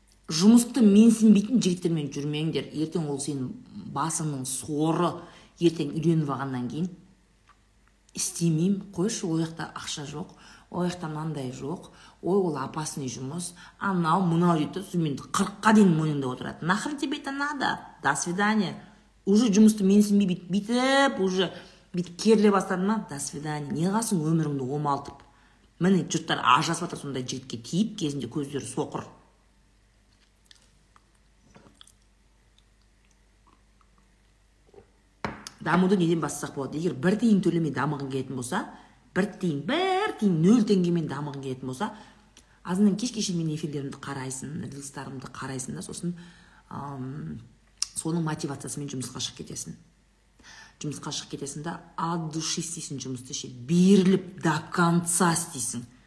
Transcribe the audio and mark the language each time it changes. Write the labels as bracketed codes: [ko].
[kk] жұмысты менсінбейтін жігіттермен жүрмеңдер. Ертең ол сенің басыңның соры, ертең үйленіп алғаннан кейін істемеймін, қойшы, ол жақта ақша жоқ, ол жақта мынандай жоқ, ой, ол апасының жұмыс, анау мынау дейді, сонымен 40-қа дейін мойнында отырады. [ru] Нахрен тебе это надо, до свидания. [kk] Уже жұмысты менсінбей бүйтіп, уже бүйтіп керіле бастады ма, [ru] до свидания. [kk] Не қасың өміріңді омалтып? Міне жұрттар ажырасып жатыр сондай жігітке тиіп, кезінде көздері соқыр. Дамуды неден бастасақ болады? Егер бір тиын төлемей дамығың келетін болса, бір тиын нөл теңгемен дамығың келетін болса, азынан кешке шейін менің эфирлерімді қарайсың, рилстарымды қарайсың да, сосын соның мотивациясымен жұмысқа шығып кетесің да, [ru] от души [kk] істейсің жұмысты, ше беріліп [ru] до конца [kk] істейсің.